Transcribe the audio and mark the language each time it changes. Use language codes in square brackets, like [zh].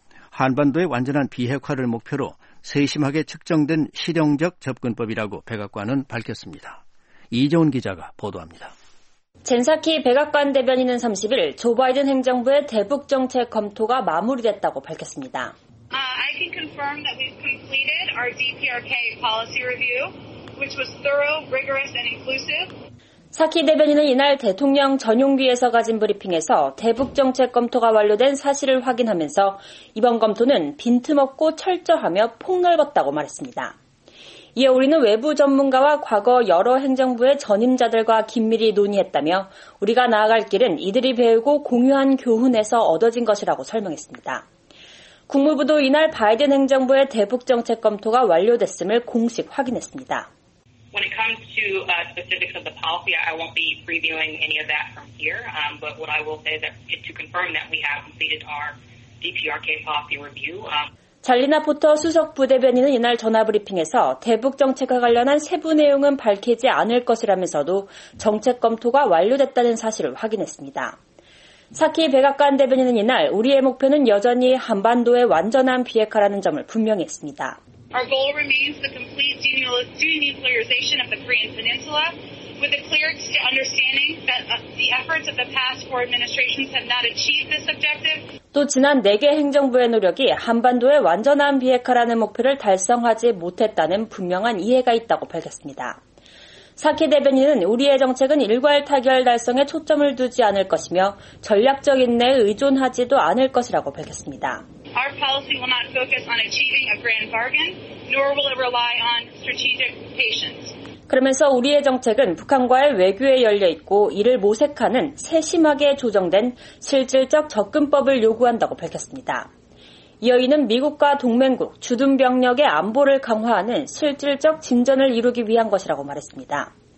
[ko] 한반도의 완전한 비핵화를 목표로 세심하게 측정된 실용적 접근법이라고 백악관은 밝혔습니다. 이재훈 기자가 보도합니다. 젠사키 백악관 대변인은 30일 조 바이든 행정부의 대북정책 검토가 마무리됐다고 밝혔습니다. [en] I can confirm that we've completed our DPRK policy review, which was thorough, rigorous, and inclusive. [ko] 사키 대변인은 이날 대통령 전용기에서 가진 브리핑에서 대북정책 검토가 완료된 사실을 확인하면서 이번 검토는 빈틈없고 철저하며 폭넓었다고 말했습니다. 이에 우리는 외부 전문가와 과거 여러 행정부의 전임자들과 긴밀히 논의했다며 우리가 나아갈 길은 이들이 배우고 공유한 교훈에서 얻어진 것이라고 설명했습니다. 국무부도 이날 바이든 행정부의 대북정책 검토가 완료됐음을 공식 확인했습니다. [en] When it comes to specifics of the policy, I won't be reviewing any of that from here. But what I will say is to confirm that we have completed our DPRK policy review. [ko] 잘리나 포터 수석 부대변인은 이날 전화 브리핑에서 대북 정책과 관련한 세부 내용은 밝히지 않을 것이라면서도 정책 검토가 완료됐다는 사실을 확인했습니다. 사키 백악관 대변인은 이날 우리의 목표는 여전히 한반도의 완전한 비핵화라는 점을 분명히 했습니다. [en] Our goal remains the complete denuclearization of the Korean Peninsula with a clear understanding that the efforts of the past four administrations have not achieved this objective. [ko] 또 지난 4개 행정부의 노력이 한반도의 완전한 비핵화라는 목표를 달성하지 못했다는 분명한 이해가 있다고 밝혔습니다. 사키 대변인은 우리의 정책은 일괄 타결 달성에 초점을 두지 않을 것이며 전략적 인내에 의존하지도 않을 것이라고 밝혔습니다. [en] Our policy will not focus on achieving a grand bargain, nor will it rely on strategic patience. [ko] 그러면서 우리의 정책은 북한과의 외교에 열려있고 이를 모색하는 세심하게 조정된 실질적 접근법을 요구한다고 밝혔습니다. 이어 이는 미국과 동맹국, 주둔병력의 안보를 강화하는 실질적 진전을 이루기 위한 것이라고 말했습니다.